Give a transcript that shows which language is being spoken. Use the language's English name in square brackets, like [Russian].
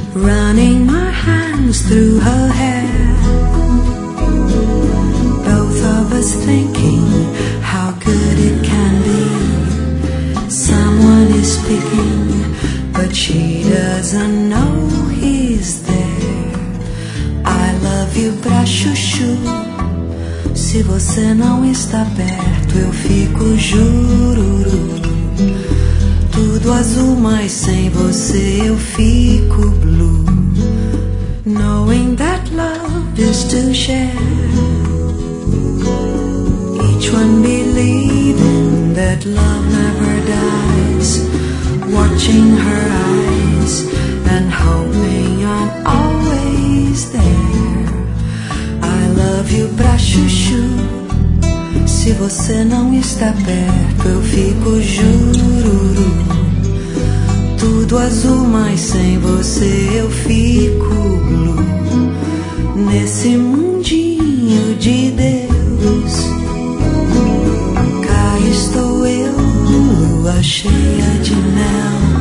[English] Running my hands through her hair, both of us thinking how good it can be. Someone is speaking, but she doesn't know he's there. I love you [Portuguese] pra chuchu, se você não está perto eu fico jururu. Tudo azul, mas sem você eu fico blue. [English] Knowing that love is to share, each one believing that love never dies, watching her eyes and hoping I'm always there. I love you [Portuguese] pra chuchu, se você não está perto eu fico jururu. Tudo azul, mas sem você eu fico blue. Nesse mundinho de Deus, cá estou eu, lua cheia de mel.